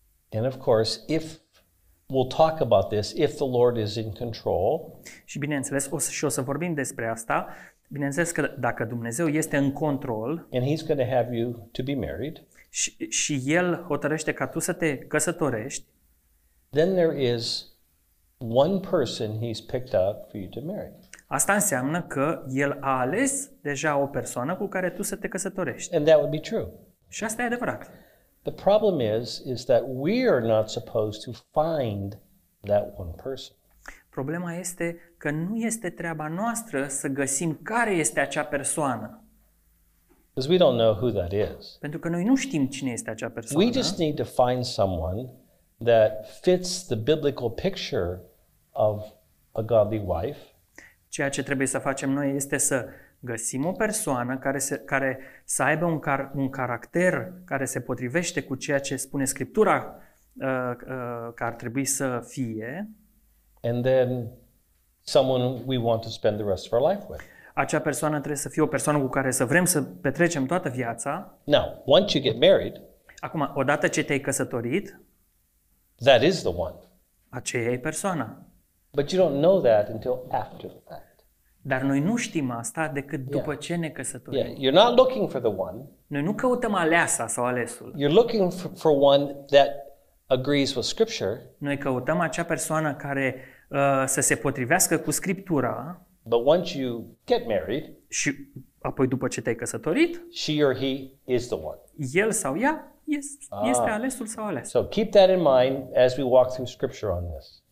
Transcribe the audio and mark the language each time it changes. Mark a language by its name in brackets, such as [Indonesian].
[English] And of course, if we'll talk about this, if the Lord is in control. [Romanian] Și bineînțeles, o să vorbim despre asta. Bineînțeles că dacă Dumnezeu este în control. [English] And he's going to have you to be married. [Romanian] Și el hotărăște ca tu să te căsătorești. [English] Then there is one person he's picked out for you to marry. [Romanian] Asta înseamnă că el a ales deja o persoană cu care tu să te căsătorești. [English] And that would be true. [Romanian] Și asta e adevărat. [English] The problem is that we are not supposed to find that one person. [Romanian] Problema este că nu este treaba noastră să găsim care este acea persoană. [English] Because we don't know who that is. [Romanian] Pentru că noi nu știm cine este acea persoană. [English] We just need to find someone that fits the biblical picture of a godly wife. [Romanian] Ceea ce trebuie să facem noi este să găsim o persoană care să aibă un caracter care se potrivește cu ceea ce spune Scriptura că ar trebui să fie. [English] And then someone we want to spend the rest of our life with. [Romanian] Acea persoană trebuie să fie o persoană cu care să vrem să petrecem toată viața. [English] Now, once you get married, [Romanian] acum, odată ce te-ai căsătorit, [English] that is the one. [Romanian] Aceea e persoana. [English] But you don't know that until after the fact. [Romanian] Dar noi nu știm asta decât după ce ne căsătorim. [English] Yeah. You're not looking for the one. [Romanian] Noi nu căutăm aleasa sau alesul. [English] You're looking for one that agrees with Scripture. [Romanian] Noi căutăm acea persoană care să se potrivească cu Scriptura. [English] But once you get married, [Romanian] și apoi după ce te-ai căsătorit, [English] she or he is the one. [Romanian] El sau ea este alesul sau alesul. [English] So keep that in mind as we walk through Scripture on this.